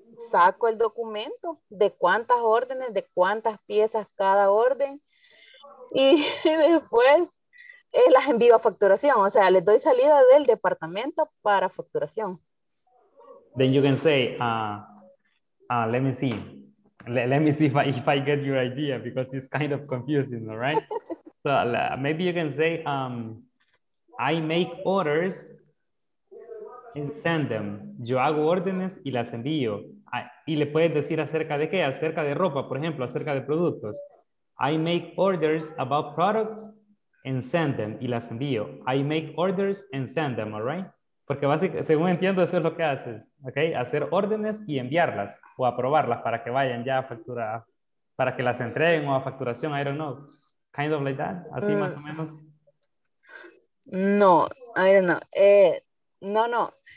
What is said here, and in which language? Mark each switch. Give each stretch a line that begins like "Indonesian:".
Spanish: saco el documento de cuántas órdenes, de cuántas piezas cada orden, y después las envío a facturación, o sea, les doy salida del departamento para facturación.
English: Then you can say, let me see. Let me see if I get your idea, because it's kind of confusing, all right? So maybe you can say, I make orders and send them.
Spanish: Yo hago órdenes y las envío. Y le puedes decir acerca de qué, acerca de ropa, por ejemplo, acerca de productos.
English: I make orders about products and send them.
Spanish: Y las envío.
English: I make orders and send them, all right?
Spanish: Porque básicamente, según entiendo, eso es lo que haces, ¿ok? Hacer órdenes y enviarlas o aprobarlas para que vayan ya a factura, para que las entreguen o a facturación,
English: I don't know. Kind of like that,
Spanish: así más o menos.
English: No, I don't know. No.